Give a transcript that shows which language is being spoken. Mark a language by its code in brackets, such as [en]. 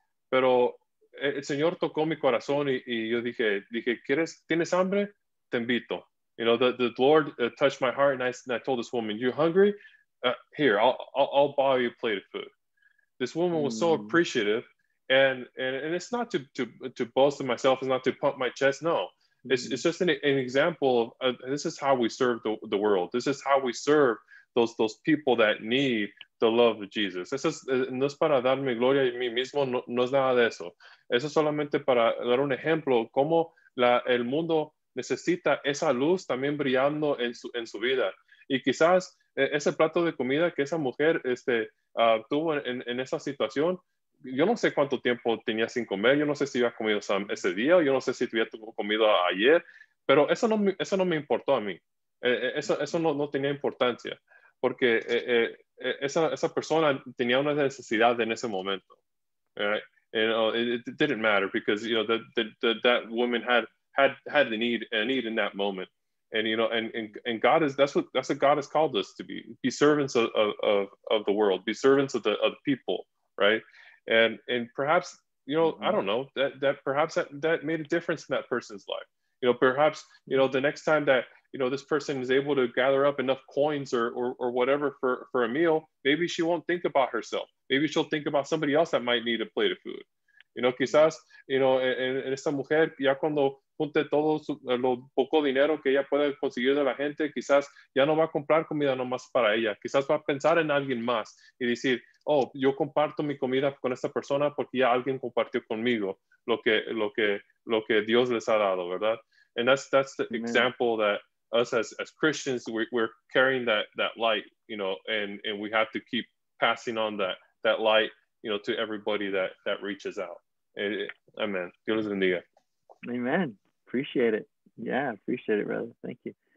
[es] Pero el Señor tocó mi corazón y yo dije, ¿quieres? ¿Tienes hambre? Te invito. [en] You know, the Lord touched my heart and I told this woman, you hungry? Here, I'll buy you a plate of food. This woman was so appreciative, and it's not to boast of myself, it's not to pump my chest, no. It's just an example of this is how we serve the world. This is how we serve those people that need the love of Jesus. [es] Eso es, no es para darme gloria a mí mismo, no es nada de eso. Eso es solamente para dar un ejemplo cómo el mundo necesita esa luz también brillando en su vida. Y quizás ese plato de comida que esa mujer tuvo en esa situación, yo no sé cuánto tiempo tenía sin comer, yo no sé si había comido ese día, yo no sé si había comido ayer, pero eso no me importó a mí. Eso no tenía importancia, porque esa persona tenía una necesidad en ese momento. [en] Right? You know, it didn't matter because, you know, that woman had a need in that moment. And, you know, and God is, that's what God has called us to be servants of the world, be servants of the people, right? And perhaps, you know, mm-hmm. I don't know, that perhaps that made a difference in that person's life. You know, perhaps, you know, the next time that, you know, this person is able to gather up enough coins or whatever for a meal, maybe she won't think about herself. Maybe she'll think about somebody else that might need a plate of food. You know, [es] quizás, you know, en esta mujer, ya cuando junte todo lo poco dinero que ella puede conseguir de la gente, quizás ya no va a comprar comida nomás para ella. Quizás va a pensar en alguien más y decir, oh, yo comparto mi comida con esta persona porque ya alguien compartió conmigo lo que Dios les ha dado, ¿verdad? [en] And that's the Amen. Example that us as Christians, we're carrying that light, you know, and we have to keep passing on that light, you know, to everybody that reaches out. [es] Amen. Dios bendiga. [en] Amen. Appreciate it. Yeah, appreciate it, brother. Thank you.